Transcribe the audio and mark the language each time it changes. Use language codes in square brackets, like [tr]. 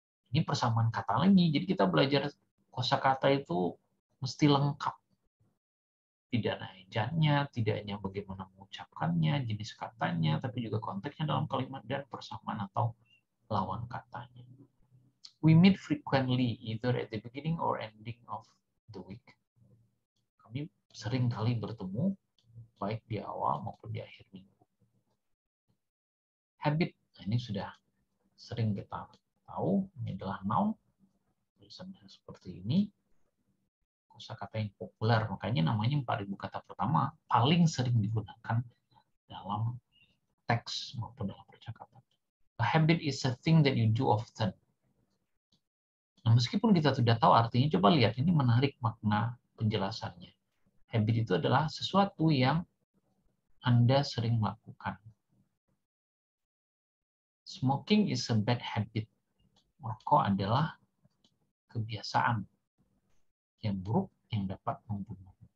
[id] Ini persamaan kata lagi, jadi kita belajar kosa kata itu mesti lengkap. Tidak hanya ejaannya, tidak hanya bagaimana mengucapkannya, jenis katanya, tapi juga konteksnya dalam kalimat dan persamaan atau lawan katanya. [en] We meet frequently, either at the beginning or ending of the week. [id] Kami sering kali bertemu, baik di awal maupun di akhir minggu. Habit, nah ini sudah sering kita tahu, ini adalah noun, tulisannya seperti ini. Kosa kata yang populer, makanya namanya 4.000 kata pertama paling sering digunakan dalam teks maupun dalam percakapan. [en] A habit is a thing that you do often. [id] Nah, meskipun kita sudah tahu artinya, coba lihat, ini menarik makna penjelasannya. Habit itu adalah sesuatu yang Anda sering lakukan. [en] Smoking is a bad habit. [id] Merokok adalah kebiasaan yang buruk yang dapat membunuh.